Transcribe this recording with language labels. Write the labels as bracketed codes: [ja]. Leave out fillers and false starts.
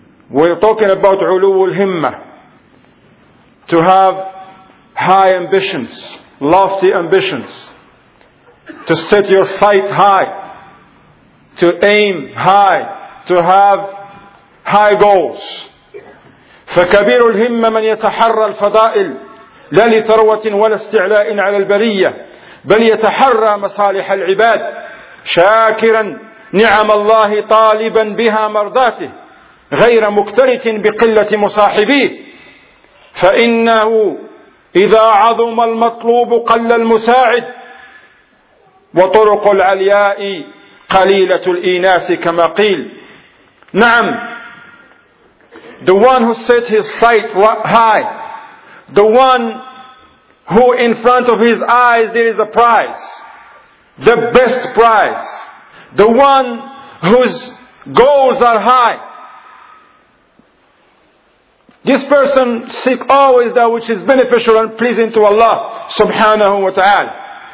[en] We're talking about uluwul himmah, to have high ambitions, lofty ambitions, to set your sight high, to aim high, to have high goals. [ar] فَكَبِيرُ الْهِمَّةِ مَنْ يَتَحَرَّ الْفَضَائِلِ لَا لِتَرْوَةٍ وَلَا اسْتِعْلَاءٍ عَلَى الْبَرِيَّةِ بَلْ يَتَحَرَّ مَصَالِحَ الْعِبَادِ شَاكِرًا نعم الله طالبا بها مرضاته غير مكترث بقلة مصاحبيه فإنه إذا عظم المطلوب قل المساعد وطرق العلياء قليلة الإناس كما قيل. [en] نعم, the one who set his sight high, the one who in front of his eyes there is a prize, the best prize, the one whose goals are high, this person seek always that which is beneficial and pleasing to Allah subhanahu wa ta'ala.